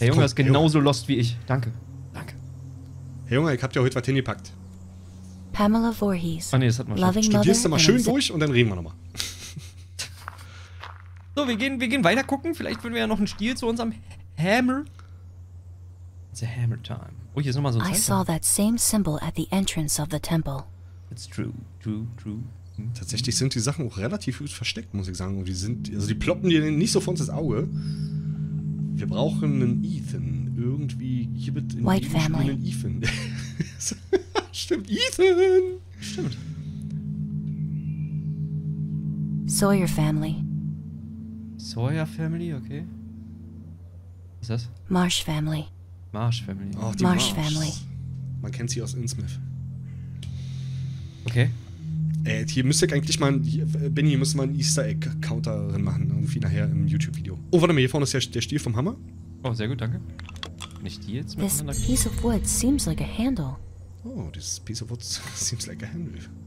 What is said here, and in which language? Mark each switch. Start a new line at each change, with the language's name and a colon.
German: Der Junge ist genauso lost wie ich. Danke. Danke. Hey Junge, ich hab dir heute was hingepackt. Pamela Voorhees. Ah, ne, das hat man schon. Studierst du mal schön durch und dann reden wir nochmal. So, wir gehen weiter gucken. Vielleicht finden wir ja noch einen Stil zu unserem Hammer.
English: It's a hammer time.
German: Oh, hier ist nochmal so ein Zeichen.
English: I saw that same symbol at the entrance of the temple. It's true.
German: Tatsächlich sind die Sachen auch relativ gut versteckt, muss ich sagen. Die sind, also die ploppen dir nicht so vor uns ins Auge. Wir brauchen einen Ethan. Irgendwie gibt es in
English: White Family.
German: Einen Ethan. Stimmt, Ethan! Stimmt.
English: Sawyer Family.
German: Sawyer Family, okay. Was ist das?
English: Marsh Family. Marsh Family.
German: Oh, die Marsh Family. Man kennt sie aus Innsmouth. Okay. Hier müsste ich eigentlich mal, Benny, müsste mal einen Easter Egg Counter drin machen. Irgendwie nachher im YouTube-Video. Oh, warte mal, hier vorne ist der Stiel vom Hammer. Oh, sehr gut, danke. Kann ich die jetzt miteinander...
English: This piece of wood seems like a handle. Oh, this piece of wood seems like a handle.